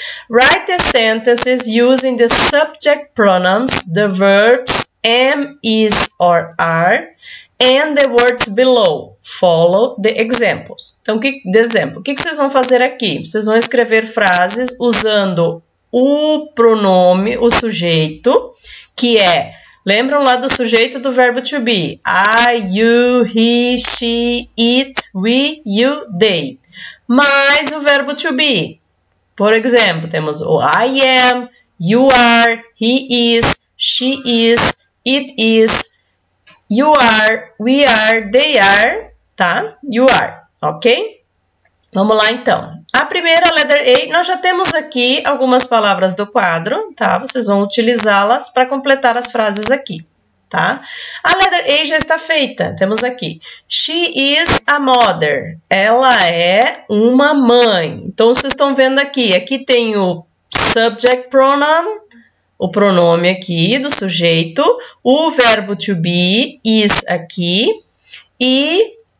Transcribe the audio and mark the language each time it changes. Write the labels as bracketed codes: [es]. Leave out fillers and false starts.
[en] Write the sentences using the subject pronouns, the verbs am, is or are, and the words below. Follow the examples. [pt] Então, que exemplo? O que vocês vão fazer aqui? Vocês vão escrever frases usando o pronome, o sujeito, que é, lembram lá do sujeito do verbo to be? [en] I, you, he, she, it, we, you, they. [pt] Mais o verbo to be. Por exemplo, temos o [en] I am, you are, he is, she is, it is, you are, we are, they are, [pt] tá? [en] You are, ok? [pt] Vamos lá então. A primeira letter A, nós já temos aqui algumas palavras do quadro, tá? Vocês vão utilizá-las para completar as frases aqui, tá? A letter A já está feita. Temos aqui: [en] She is a mother. [pt] Ela é uma mãe. Então vocês estão vendo aqui, tem o subject pronoun, o pronome aqui do sujeito, o verbo to be is aqui e